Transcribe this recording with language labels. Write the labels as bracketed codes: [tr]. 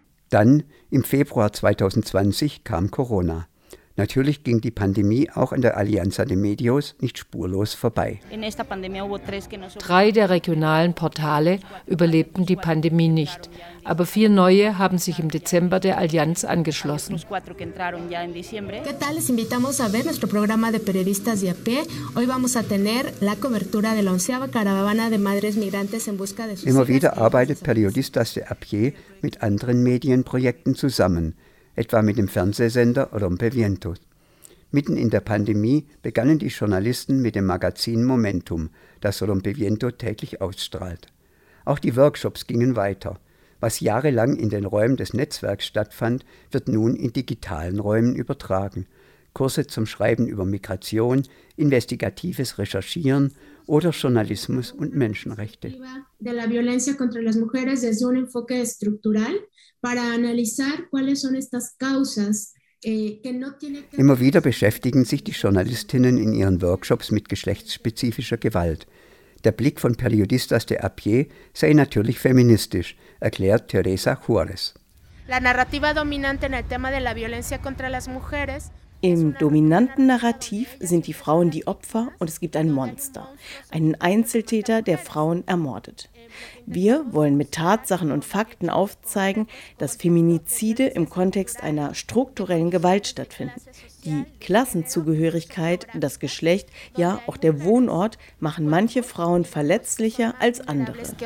[de] Dann, im Februar 2020, kam Corona. Natürlich ging die Pandemie auch an der Allianza de Medios nicht spurlos vorbei. 3 der regionalen Portale überlebten die Pandemie nicht, aber 4 neue haben sich im Dezember der Allianz angeschlossen. [es] ¿Qué tal? Les invitamos a ver nuestro programa de periodistas de a pie. Hoy vamos a tener la cobertura de la 11ª caravana de madres migrantes en busca de sus. [de] Immer wieder arbeitet Periodistas de a pie mit anderen Medienprojekten zusammen. Etwa mit dem Fernsehsender Rompeviento. Mitten in der Pandemie begannen die Journalisten mit dem Magazin Momentum, das Rompeviento täglich ausstrahlt. Auch die Workshops gingen weiter. Was jahrelang in den Räumen des Netzwerks stattfand, wird nun in digitalen Räumen übertragen. Kurse zum Schreiben über Migration, investigatives Recherchieren oder Journalismus und Menschenrechte. [es] De la violencia contra las mujeres desde un enfoque estructural para analizar cuáles son estas causas que no tiene. [de] Immer wieder beschäftigen sich die Journalistinnen in ihren Workshops mit geschlechtsspezifischer Gewalt. Der Blick von Periodistas de a pie sei natürlich feministisch, erklärt Teresa Juarez. [es] La narrativa dominante en el tema de la violencia contra las mujeres. [de] Im dominanten Narrativ sind die Frauen die Opfer und es gibt ein Monster, einen Einzeltäter, der Frauen ermordet. Wir wollen mit Tatsachen und Fakten aufzeigen, dass Feminizide im Kontext einer strukturellen Gewalt stattfinden. Die Klassenzugehörigkeit, das Geschlecht, ja auch der Wohnort machen manche Frauen verletzlicher als andere.